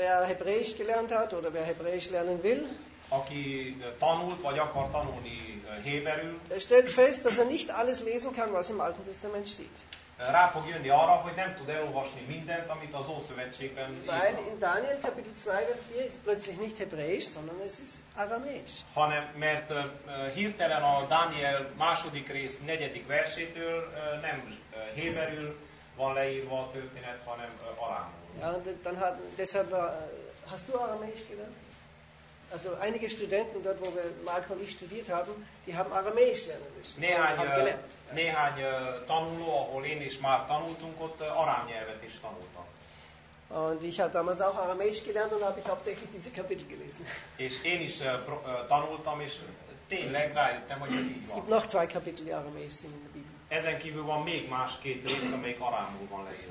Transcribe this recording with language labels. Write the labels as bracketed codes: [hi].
[de] Wer Hebräisch gelernt hat oder wer Hebräisch lernen will, [hu] aki tanult vagy akar tanulni héberül, [de] stellt fest, dass er nicht alles lesen kann, was im Alten Testament steht. [hu] Rá fog jönni arra, hogy nem tud elolvasni mindent, amit az Ószövetségben ír. [de] Weil in Daniel Kapitel 2 Vers 4 ist plötzlich nicht hebräisch, sondern es ist aramäisch. [hu] Hanem mert hirtelen a Dániel második rész negyedik versétől nem héberül van leírva a történet, hanem arámul. [de] Ja, dann hat deshalb hast du aramäisch gelernt? Also einige Studenten dort, wo wir Marco und ich studiert haben, die haben Aramäisch lernen müssen. [hu] Néhány tanuló, ahol én is már tanultunk, ott arám nyelvet is tanultak. [de] Und ich habe damals auch Aramäisch gelernt und habe ich hauptsächlich diese Kapitel gelesen. [hu] És én is tanultam, és tényleg rájöttem, hogy ez így van. [de] Es gibt noch zwei Kapitel, die Aramäisch sind in der Bibel. [hu] Ezen kívül van még más két rész, amelyik arámul van leírva.